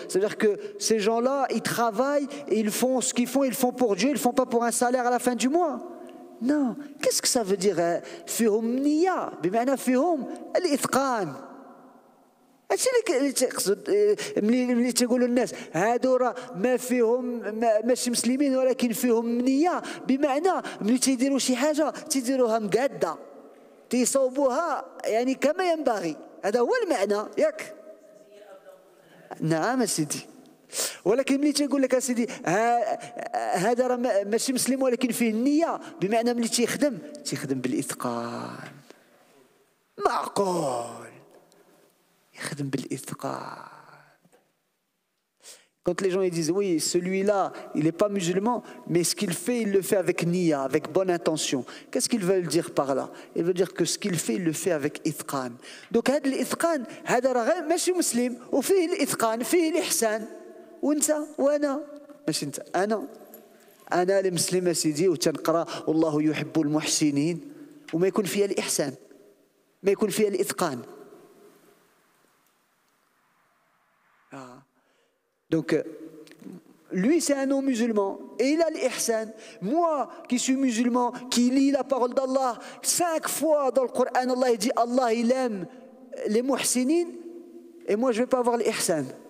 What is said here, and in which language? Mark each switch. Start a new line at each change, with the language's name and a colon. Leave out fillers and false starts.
French: Ça veut dire que ces gens là ils travaillent et ils font ce qu'ils font, ils font pour Dieu, ils font pas pour un salaire à la fin du mois. Non, qu'est-ce que ça veut dire
Arabic: فيهم نية بمعنى فيهم الإتقان. هادشي اللي تقصد ملي تقولوا الناس هادو راه ما فيهم ماشي مسلمين ولكن فيهم نية بمعنى ملي تيديروا شي حاجة تيديروها مقادة تيصوبوها يعني كما ينبغي هذا هو المعنى ياك. نعم سيدي. ولكن ملي تيقول لك اسيدي هذا راه ماشي مسلم ولكن فيه النيه بمعنى ملي تيخدم تيخدم بالاتقان. معقول يخدم بالاتقان.
French: Quand les gens ils disent oui celui-là il est pas musulman mais ce qu'il fait il le fait avec niya avec bonne intention. Qu'est-ce qu'ils veulent dire par là? Ils veulent dire que ce qu'il fait il le fait avec itqan. Donc
Arabic: هذا الاتقان هذا راه غير ماشي مسلم وفيه الاتقان فيه الاحسان. وانت وانا ماشي انت انا المسلم سيدي وتنقرا والله يحب المحسنين وما يكون فيها الاحسان ما يكون فيها الاتقان.
French: دونك lui c'est un homme musulman et il a l'ihsan. Moi qui suis musulman qui lis la parole d'Allah 5 fois dans le Coran, Allah dit Allah il aime les muhsinin et moi je vais pas avoir l'ihsan.